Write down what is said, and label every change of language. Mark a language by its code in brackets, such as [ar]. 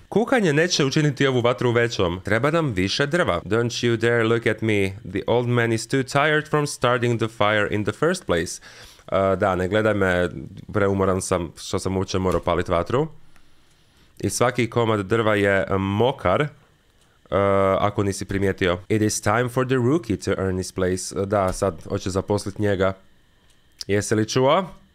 [hr] Kukanje neće učiniti ovu vatru većom. Treba nam više drva. [en] Don't you dare look at me. The old man is too tired from starting the fire in the first place. [hr] Da, ne gledaj me. Preumoran sam što sam uopće morao palit vatru. I svaki komad drva je mokar. Ako nisi primijetio. [en] It is time for the rookie to earn his place. [hr] Da, sad hoće zaposliti njega. Jesi li čuo?